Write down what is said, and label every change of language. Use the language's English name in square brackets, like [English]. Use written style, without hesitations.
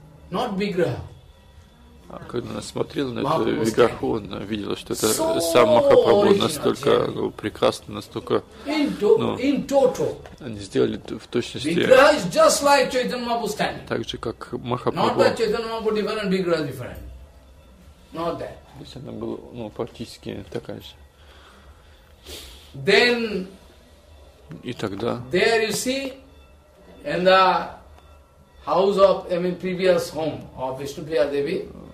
[Russian] А когда она смотрела на эту Виграху, она видела, что это сам Махапрабху настолько прекрасный, настолько... Они сделали в точности так же, как Махапрабху. [English] Not that Chaitanya Mahaprabhu different, Vigra different. Not that. [Russian] То есть она была, ну, практически такая же. [English] Then... [Russian] И тогда... [English] There you see, in the house of, I mean, previous home of Vishnupriya Devi,